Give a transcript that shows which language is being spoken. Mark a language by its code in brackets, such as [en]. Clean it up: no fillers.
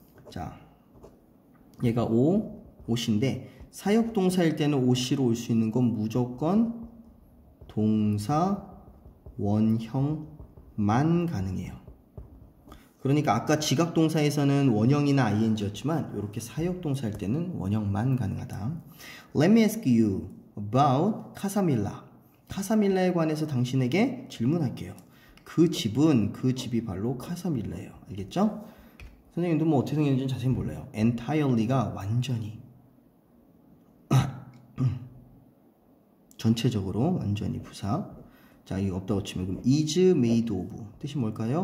[ko] 자, 얘가 옷인데 사역동사일 때는 옷이로 올수 있는 건 무조건 동사 원형만 가능해요. 그러니까 아까 지각동사에서는 원형이나 ing였지만 이렇게 사역동사일 때는 원형만 가능하다. [en] Let me ask you about 카사밀라. [ko] 카사밀라에 관해서 당신에게 질문할게요. 그 집이 바로 카사밀라예요. 알겠죠? 선생님도 뭐 어떻게 생겼는지 자세히 몰라요. entirely가 완전히. 전체적으로 완전히 부사. 자, 이거 없다고 치면 그럼 is made of. 뜻이 뭘까요?